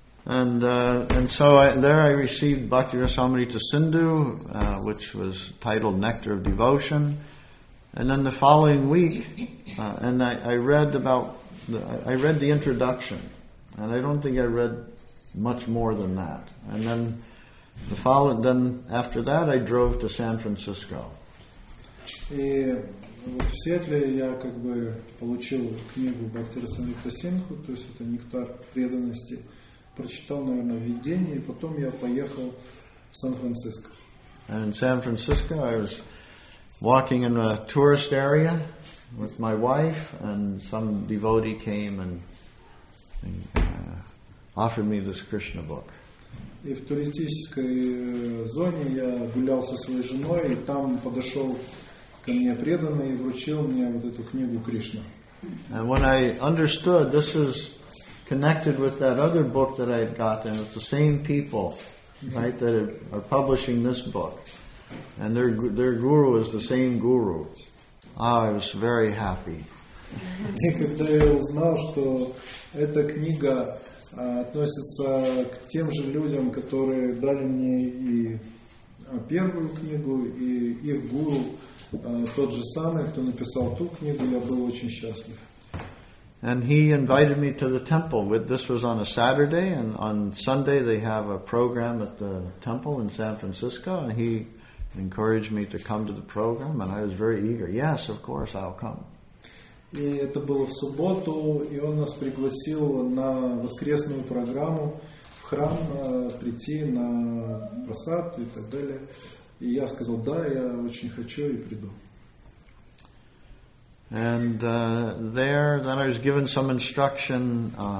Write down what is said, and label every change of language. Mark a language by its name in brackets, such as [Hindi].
[English] And so there I received Bhakti Rasamrita Sindhu, which was titled Nectar of Devotion. And then the following week, I read the introduction, and I don't think I read much more than that. And then after that, I drove to San Francisco. [Russian] И вот в Сиэтле я как бы получил книгу Бхакти Расамрита Сингху, то есть это «Нектар преданности», прочитал, наверное, введение, и потом я поехал в Сан-Франциско. [English] And in San Francisco, I was walking in a tourist area with my wife, and some devotee came and offered me this Krishna book. [Russian] И в туристической зоне я гулял со своей женой, и там подошел ко мне преданный и вручил мне вот эту книгу Кришна. [English] And when I understood, this is connected with that other book that I had gotten. It's the same people, right, that are publishing this book. And their guru is the same guru. Oh, I was very happy. [Russian] И когда я узнал, что эта книга относится к тем же людям, которые дали мне и первую книгу, и их гуру тот же самый, кто написал ту книгу, я был очень счастлив. [English] And he invited me to the temple. This was on a Saturday, and on Sunday they have a program at the temple in San Francisco, and he encouraged me to come to the program, and I was very eager. Yes, of course, I'll come. [Russian] И это было в субботу, и он нас пригласил на воскресную программу в храм прийти на просад и так далее. И я сказал, да, я очень хочу и приду. [English] And there, then I was given some instruction.